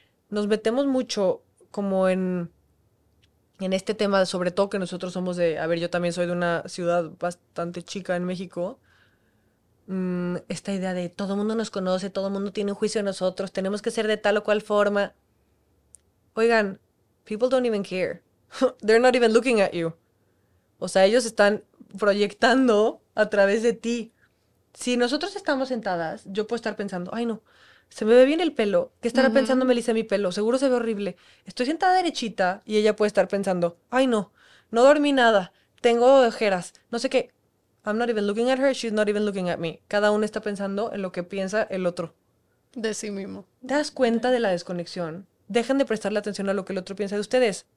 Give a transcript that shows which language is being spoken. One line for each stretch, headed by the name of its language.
Spanish: Nos metemos mucho como en este tema, sobre todo que nosotros somos de, a ver, yo también soy de una ciudad bastante chica en México, esta idea de todo el mundo nos conoce, todo el mundo tiene un juicio de nosotros, tenemos que ser de tal o cual forma.
English: Oigan, people don't even care. They're not even looking at you.
Spanish: O sea, ellos están proyectando a través de ti. Si nosotros estamos sentadas, yo puedo estar pensando, ay no, se me ve bien el pelo. ¿Qué estará pensando Melissa en mi pelo? Seguro se ve horrible. Estoy sentada derechita y ella puede estar pensando, ay no, no dormí nada, tengo ojeras, no sé qué.
English: I'm not even looking at her, she's not even looking at me.
Spanish: Cada uno está pensando en lo que piensa el otro. De sí mismo. ¿Te das cuenta de la desconexión? Dejen de prestarle atención a lo que el otro piensa de ustedes.